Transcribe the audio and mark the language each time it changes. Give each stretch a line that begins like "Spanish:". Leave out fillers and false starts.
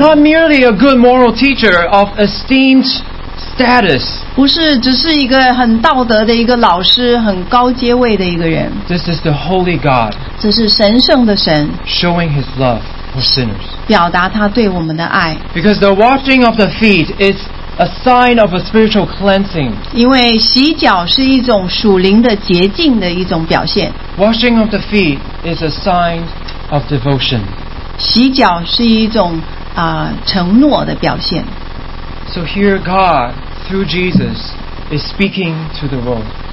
English: Not merely a good moral teacher of esteemed status.
Chinese: 不是只是一个很道德的一个老师，很高阶位的一个人。
English: This is the holy God.
Chinese: 这是神圣的神。
English: Showing His love. Sinners.
Chinese: 表达他对我们的爱。
English: Because the washing of the feet is a sign of a spiritual cleansing.
Chinese: 因为洗脚是一种属灵的洁净的一种表现。
English: Washing of the feet is a sign of devotion.
Chinese: 洗脚是一种, 承诺的表现。
English: So here God, through Jesus, is speaking to the world.